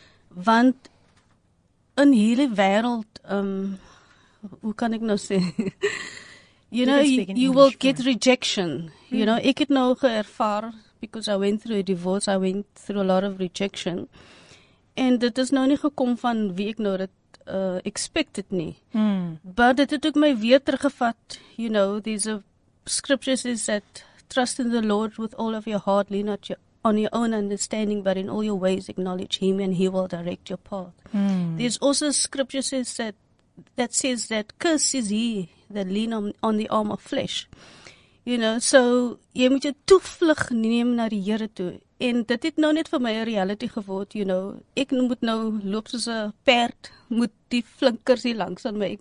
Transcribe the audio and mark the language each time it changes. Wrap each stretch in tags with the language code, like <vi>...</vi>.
<af>Want in hierdie wêreld, hoe kan ek nou sê?</af> <en>You know, you will get rejection. You know,</en> <af>ek het nou geervaar,</af> <en>because I went through a divorce, I went through a lot of rejection.</en> <af>En dit is nou nie gekom van wie ek nou dit expected nie.</af> <en>But</en> <af>dit het ook my weer teruggevat,</af> <en>you know, these scriptures is that trust in the Lord with all of your heart, lean not on your own understanding, but in all your ways acknowledge him and he will direct your path. There's also scriptures that says that cursed is he that lean on the arm of flesh.</en> <af>You know, so jy moet jou toevlug neem na die Here toe. En dit het nou net vir my 'n reality geword, you know. Ek moet nou loop soos 'n perd, moet die flinkers hier langs aan my.</af>